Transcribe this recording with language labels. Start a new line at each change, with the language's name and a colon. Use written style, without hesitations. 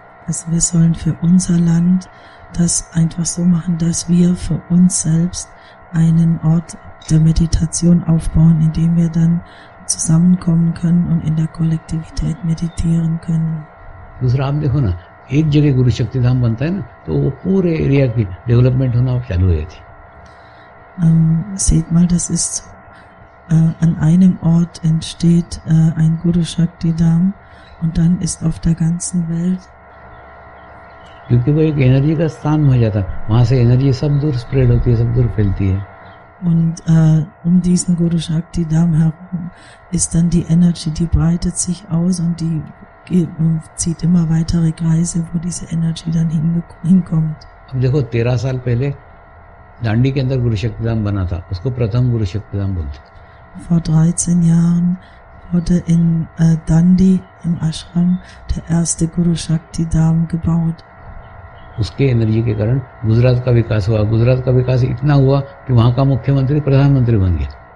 German: Also wir sollen für unser Land das einfach so machen, dass wir für uns selbst einen Ort der Meditation aufbauen, in dem wir dann zusammenkommen können und in der Kollektivität meditieren können.
Hindi: दूसरा आप देखो ना एक जगह गुरु शक्ति धाम बनता है ना तो वो पूरे एरिया की डेवलपमेंट होना चालू हो जाती है
German: Seht mal, das ist an einem Ort entsteht ein Guru Shakti Dham und dann ist auf der ganzen Welt.
Hindi: क्योंकि वो एक एनर्जी का स्थान हो जाता, वहाँ से एनर्जी सब दूर स्प्रेड होती है, सब दूर फैलती है.
German: Und um diesen Guru Shakti Dham herum ist dann die Energie, die breitet sich aus und die zieht immer weitere Kreise, wo diese Energie dann hinkommt.
Hindi: अब देखो 13 साल पहले दांडी के अंदर गुरु शक्ति धाम बना था उसको प्रथम गुरु शक्ति धाम बोलते
German: Vor 13 Jahren wurde in Dandi im Ashram der erste Guru Shakti Dham gebaut.
Hindi: उसके एनर्जी के कारण गुजरात का विकास हुआ गुजरात का विकास इतना हुआ कि वहां का मुख्यमंत्री प्रधानमंत्री बन गया